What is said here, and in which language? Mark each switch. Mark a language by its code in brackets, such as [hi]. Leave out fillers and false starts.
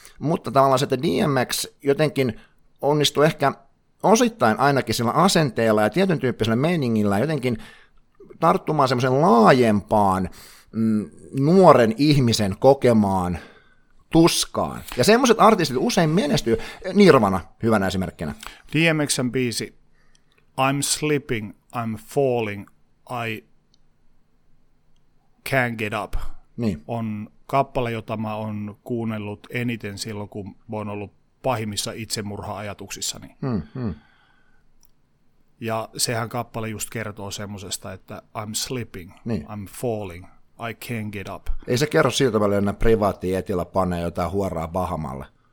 [fi] Mutta tavallaan se, että DMX jotenkin onnistui ehkä osittain ainakin sillä asenteella ja tietyn tyyppisellä meiningillä jotenkin tarttumaan semmoisen laajempaan nuoren ihmisen kokemaan tuskaan. Ja semmoiset artistit usein menestyy. Nirvana, hyvänä esimerkkinä. DMX:n biisi [en] I'm sleeping, I'm falling, I can't get up [fi] niin. On kappale, jota mä oon kuunnellut eniten silloin, kun mä oon ollut pahimmissa itsemurha-ajatuksissani. Ja sehän kappale just kertoo semmoisesta, että [en] I'm slipping, [fi] niin. [en] I'm falling, I can't get up. [fi] Ei se kerro siltä välillä, että privaattiin etillä panee jotain huoraa Bahamalle.